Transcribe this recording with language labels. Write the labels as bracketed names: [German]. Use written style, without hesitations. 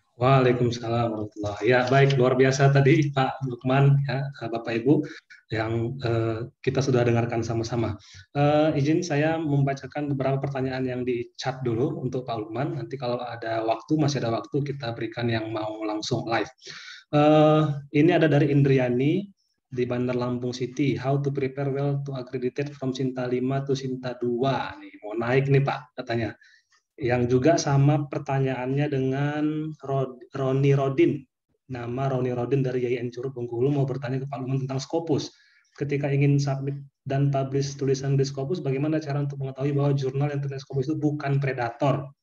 [Indonesian] Waalaikumsalam warahmatullahi. Ya, baik, luar biasa tadi Pak Lukman ya, Bapak Ibu yang kita sudah dengarkan sama-sama. Izin saya membacakan beberapa pertanyaan yang di chat dulu untuk Pak Lukman. Nanti kalau ada waktu, masih ada waktu, kita berikan yang mau langsung live. Ini ada dari Indriani di Bandar Lampung City. [English] How to prepare well to accredited from Sinta 5 to Sinta 2. [Indonesian] Nih, mau naik nih Pak katanya. Yang juga sama pertanyaannya dengan Roni Rodin. Nama Roni Rodin dari YIN Curup Bengkulu mau bertanya ke Pak Lukman tentang Scopus. Ketika ingin submit dan publish tulisan di Scopus, bagaimana cara untuk mengetahui bahwa jurnal yang terkait Scopus itu bukan predator?